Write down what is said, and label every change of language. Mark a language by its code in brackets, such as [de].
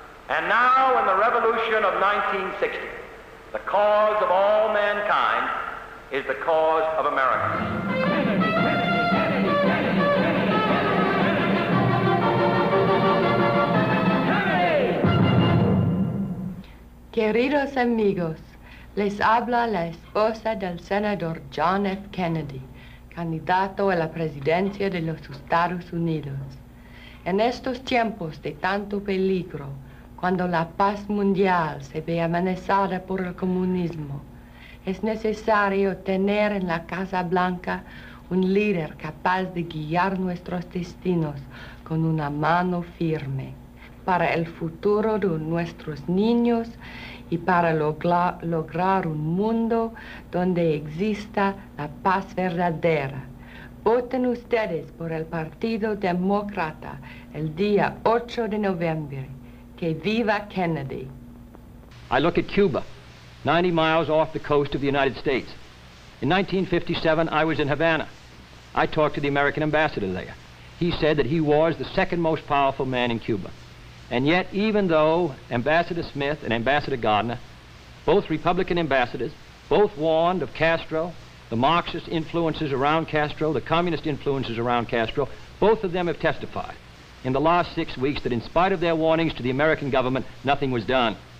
[en] And now in the revolution of 1960, the cause of all mankind is the cause of America. [es] Queridos amigos, Les habla la esposa del senador John F. Kennedy, candidato a la presidencia de los Estados Unidos. En estos tiempos de tanto peligro, cuando la paz mundial se ve amenazada por el comunismo, es necesario tener en la Casa Blanca un líder capaz de guiar nuestros destinos con una mano firme para el futuro de nuestros niños y para lograr un mundo donde exista la paz verdadera. Voten ustedes por el Partido Demócrata el día 8 de noviembre. Que viva Kennedy. [en] I look at Cuba, 90 miles off the coast of the United States. In 1957, I was in Havana. I talked to the American ambassador there. He said that he was the second most powerful man in Cuba. And yet, even though Ambassador Smith and Ambassador Gardner, both Republican ambassadors, both warned of Castro, the Marxist influences around Castro, the communist influences around Castro, both of them have testified in the last 6 weeks that in spite of their warnings to the American government, nothing was done.